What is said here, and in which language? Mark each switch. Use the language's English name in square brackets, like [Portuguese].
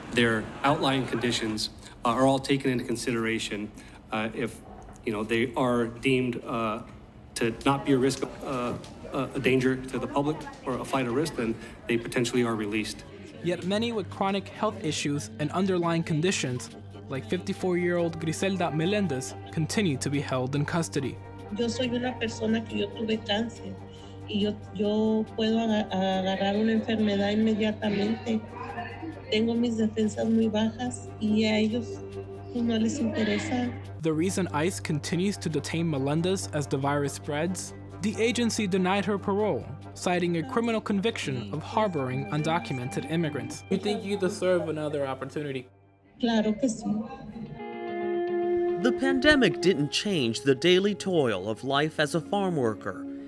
[English] Their outlying conditions are all taken into consideration if, you know, they are deemed to not be a risk, a danger to the public, or a flight of risk, then they potentially are released. Yet many with chronic health issues and underlying conditions, like 54-year-old Griselda Melendez, continue to be held in custody. [Spanish] Yo soy una persona que yo tuve cáncer. Yo puedo agarrar una enfermedad inmediatamente. Tengo mis defensas muy bajas y a ellos no les interesa. [English] The reason ICE continues to detain Melendez as the virus spreads, the agency denied her parole, citing a criminal conviction of harboring undocumented immigrants. You think you deserve another opportunity? [Spanish] Claro que sí. [English] The pandemic didn't change the daily toil of life as a farm worker.